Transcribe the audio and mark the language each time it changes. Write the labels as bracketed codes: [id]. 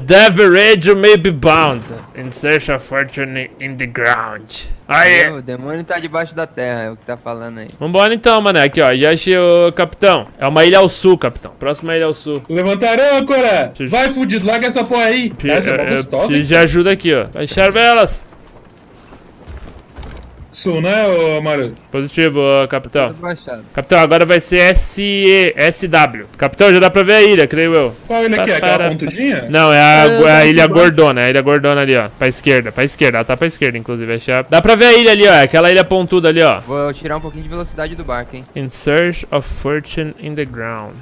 [en] Devil Ridge, you may be bound. In search of fortune in the ground. [pt] Aí. O demônio tá debaixo da terra, é o que tá falando aí. Vambora então, mané. Aqui, ó. Já achei o capitão. É uma ilha ao sul, capitão. Próxima ilha ao sul. Levantar a âncora. Vai, fudido. Larga essa porra aí. Essa é uma gostosa. Preciso de ajuda aqui, ó. Fechar velas. Sul, né, ô Amaro? Positivo, capitão. Capitão, agora vai ser SW. Capitão, já dá pra ver a ilha, creio eu. Qual ilha que é? Aquela pontudinha? Não, é a ilha gordona ali, ó. Pra esquerda. Ela tá pra esquerda, inclusive. Dá pra ver a ilha ali, ó. Aquela ilha pontuda ali, ó. Vou tirar um pouquinho de velocidade do barco, hein. [en] In search of fortune in the ground.